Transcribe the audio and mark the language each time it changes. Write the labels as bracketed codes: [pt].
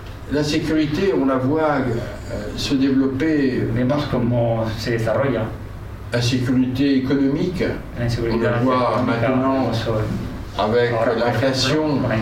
[fr] La sécurité, on la voit se développer. [es] Vemos cómo se desarrolla. [fr] La sécurité économique, on la voit maintenant avec l'inflation.